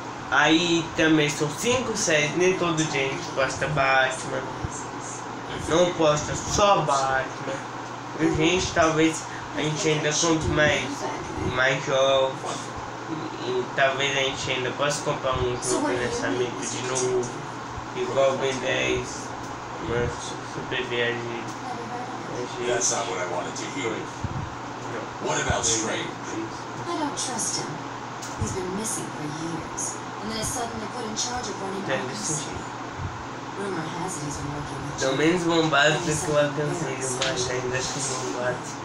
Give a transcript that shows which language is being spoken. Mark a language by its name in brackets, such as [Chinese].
[Portuguese] Aí também são 5 séries, nem todo dia a gente posta Batman. Não posta só Batman. A gente, talvez, a gente ainda compre mais jogos. E talvez a gente ainda possa comprar um jogo nessa mesa de novo. Igual o Ben 10. Uma super viagem. [English] That's not what I wanted to hear. What about Strange? I don't trust him. He's been missing for years. And then suddenly put in charge of running the city. Rumor has it he's been working with you. [Portuguese] Pelo menos bombado ficou a canseira, mas ainda acho que bombado.